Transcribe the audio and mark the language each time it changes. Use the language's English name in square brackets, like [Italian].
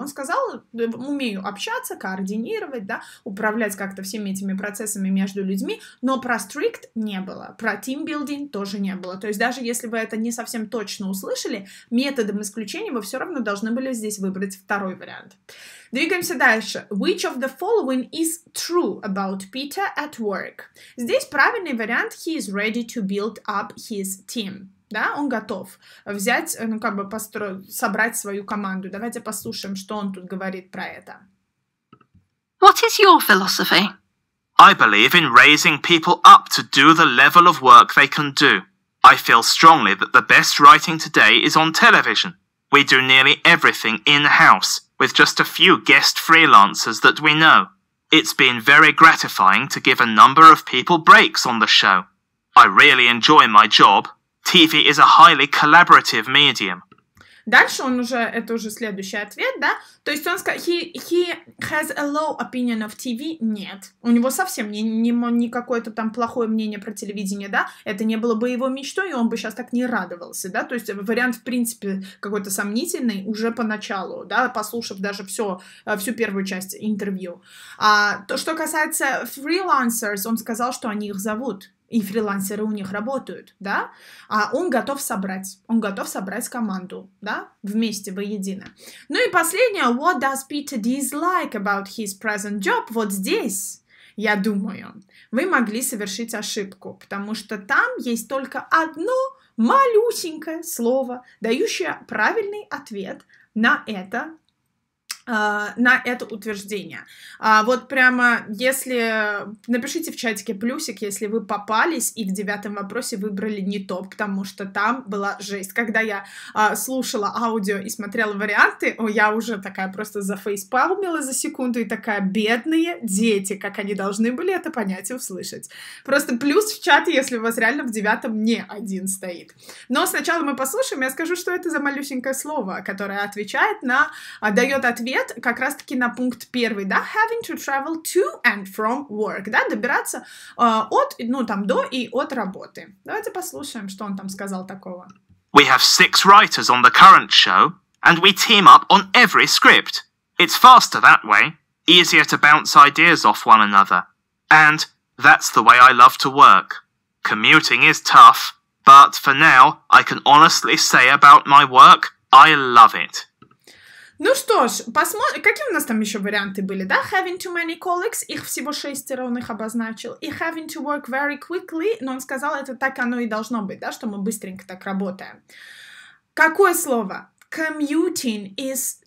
[Russian] Он сказал, умею общаться, координировать, да, управлять как-то всеми этими процессами между людьми, но про strict не было, про team building тоже не было. То есть даже если вы это не совсем точно услышали, методом исключения вы все равно должны были здесь выбрать второй вариант. Двигаемся дальше. [English] Which of the following is true about Peter at work? [Russian] Здесь правильный вариант. [English] He is ready to build up his team. [Russian] Да, он готов взять, ну как бы собрать свою команду. Давайте послушаем, что он тут говорит про это. [English] What is your philosophy? I believe in raising people up to do the level of work they can do. I feel strongly that the best writing today is on television. We do nearly everything in-house. With just a few guest freelancers that we know. It's been very gratifying to give a number of people breaks on the show. I really enjoy my job. TV is a highly collaborative medium. [Russian] Дальше он уже, это уже следующий ответ, да? То есть он сказал, [English] he has a low opinion of TV. [Russian] Нет, у него совсем не какое-то там плохое мнение про телевидение, да? Это не было бы его мечтой, и он бы сейчас так не радовался, да? То есть вариант, в принципе, какой-то сомнительный уже поначалу, да? Послушав даже всю первую часть интервью. А то, что касается freelancers, он сказал, что они их зовут. И фрилансеры у них работают, да? А он готов собрать команду, да? Вместе, воедино. Ну и последнее. [English] What does Peter dislike about his present job? [Russian] Вот здесь, я думаю, вы могли совершить ошибку, потому что там есть только одно малюсенькое слово, дающее правильный ответ на это. На это утверждение. Вот прямо, если... Напишите в чатике плюсик, если вы попались и в девятом вопросе выбрали не то, потому что там была жесть. Когда я слушала аудио и смотрела варианты, я уже такая просто зафейспалмила за секунду и такая, бедные дети, как они должны были это понять и услышать. Просто плюс в чате, если у вас реально в девятом не один стоит. Но сначала мы послушаем, я скажу, что это за малюсенькое слово, которое отвечает на... дает ответ как раз-таки на пункт первый, да, [English] having to travel to and from work, [Russian] да, добираться от, ну, там, до и от работы. Давайте послушаем, что он там сказал такого. [English] We have six writers on the current show, and we team up on every script. It's faster that way, easier to bounce ideas off one another. And that's the way I love to work. Commuting is tough, but for now, I can honestly say about my work, I love it. [Russian] Ну что ж, какие у нас там еще варианты были, да? [English] Having too many colleagues, [Russian] их всего шестеро, он их обозначил. И [English] having to work very quickly, [Russian] но он сказал, это так оно и должно быть, да, что мы быстренько так работаем. Какое слово? [English] Commuting is